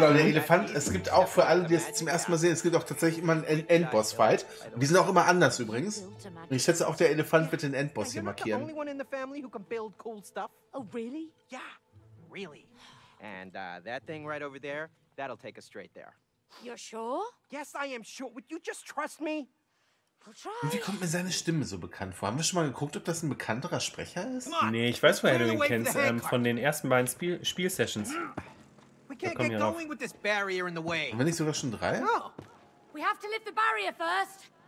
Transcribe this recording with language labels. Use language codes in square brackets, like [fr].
[de] Genau, der Elefant, es gibt auch für alle, die es zum ersten Mal sehen, es gibt auch tatsächlich immer einen Endboss-Fight. Und die sind auch immer anders übrigens. Und ich schätze auch, der Elefant wird den Endboss hier markieren. [en] Are you not the only one in the family who can build cool stuff? Oh, really? Yeah, really. And that thing right over there, that'll take us straight there. You're sure? Yes, I am sure. Would you just trust me? [de] Und wie kommt mir seine Stimme so bekannt vor? Haben wir schon mal geguckt, ob das ein bekannterer Sprecher ist? Nee, ich weiß, woher du ihn kennst. Von den ersten beiden Spielsessions. Haben wir nicht sogar schon drei? [en] We have to lift the barrier first.